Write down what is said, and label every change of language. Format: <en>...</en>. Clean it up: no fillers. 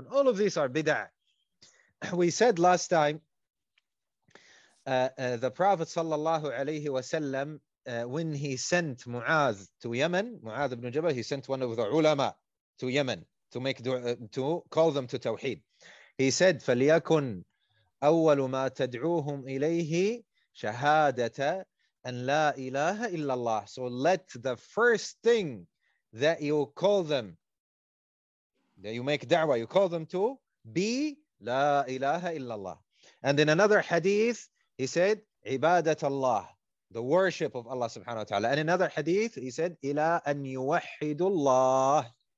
<en>And all of these are Bid'ah. We said last time, the Prophet sallallahu alayhi wa sallam, when he sent Mu'az to Yemen, Mu'az ibn Jabal, he sent one of the ulama to Yemen to make to call them to Tawheed. He said,</en> <ar>فَلْيَكُنْ أَوَّلُ مَا تَدْعُوهُمْ إِلَيْهِ شَهَادَةَ أَنْ لَا إِلَهَ إِلَّا اللَّهِ.</ar> <en>So let the first thing that you call them, that you make da'wah, you call them to be La ilaha illallah. And in another hadith, he said, ibadat Allah, the worship of Allah subhanahu wa ta'ala. And in another hadith, he said,</en> <ar>ila an yuwahidu Allah.</ar>